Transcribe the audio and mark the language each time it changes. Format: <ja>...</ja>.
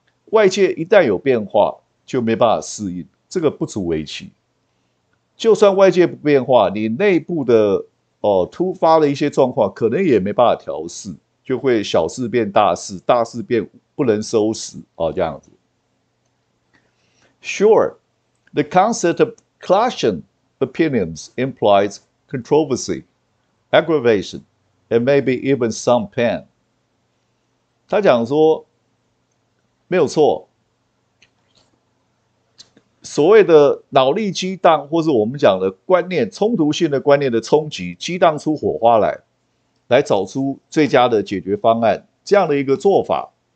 <zh>外界一旦有变化，就没办法适应，这个不足为奇。就算外界不变化，你内部的突发的一些状况，可能也没办法调试，就会小事变大事，大事变不能收拾这样子。</zh> <en>Sure, the concept of clashing opinions implies controversy, aggravation, and maybe even some pain.</en> <zh>他讲说，没有错，所谓的脑力激荡，或是我们讲的观念冲突性的观念的冲击，激荡出火花来找出最佳的解决方案，这样的一个做法。</zh>